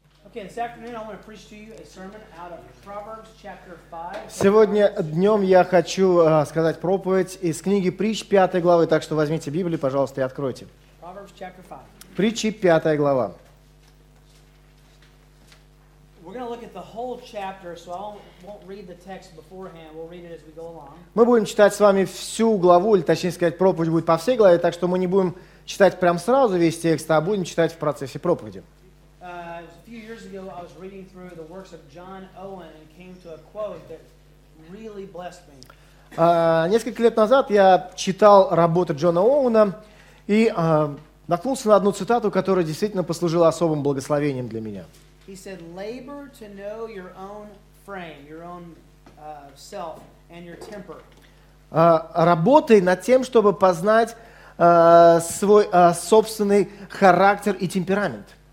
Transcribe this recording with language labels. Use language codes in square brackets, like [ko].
[en] Again, this afternoon I want to preach to you a sermon out of Proverbs chapter 5. [ru] Сегодня днём я хочу сказать проповедь из книги Притч 5 главы, так что возьмите Библию, пожалуйста, и откройте. [en] Proverbs chapter 5. [ru] Притчи 5 глава. [en] We're going to look at the whole chapter, so I won't read the text beforehand. We'll read it as we go along. [ru] Мы будем читать с вами всю главу, или точнее сказать, проповедь будет по всей главе, так что мы не будем читать прямо сразу весь текст, а будем читать в процессе проповеди. [en] A few years ago, I was reading through the works of John Owen and came to a quote that really blessed me. [ru] Несколько лет назад я читал работы Джона Оуэна и наткнулся на одну цитату, которая действительно послужила особым благословением для меня. [en] He said, "Labor to know your own frame, your own self, and your temper." [ru] Работай над тем, чтобы познать свой собственный характер и темперамент.